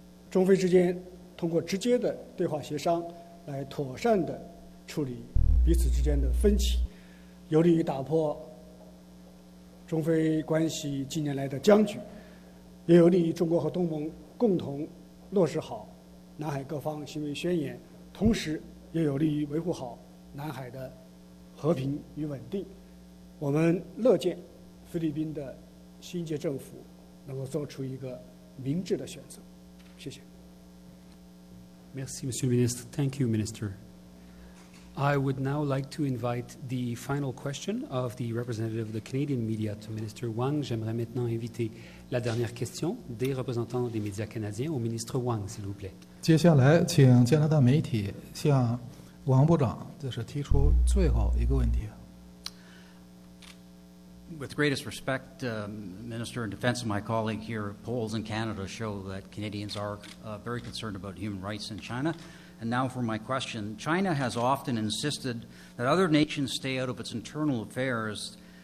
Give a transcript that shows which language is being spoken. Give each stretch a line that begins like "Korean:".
Chinese: 中菲之间通过直接的对话协商来妥善的处理彼此之间的分歧，有利于打破中菲关系近年来的僵局，也有利于中国和东盟共同落实好南海各方行为宣言，同时也有利于维护好南海的和平与稳定。我们乐见菲律宾的新届政府能够做出一个明智的选择。谢谢。
French: Merci, Monsieur
English: Minister. Thank you, Minister. I would now like to invite the final question of the representative of the Canadian media to Minister Wang.
French: J'aimerais maintenant inviter la dernière question des représentants des médias canadiens au ministre Wang, s'il vous plaît.
Chinese: 接下来请加拿大媒体向王部长就是提出最后一个问题。
English: With greatest respect, Minister, in defense of my colleague here, polls in Canada show that Canadians are very concerned about human rights in China. And now for my question. China has often insisted that other nations stay out of its internal affairs.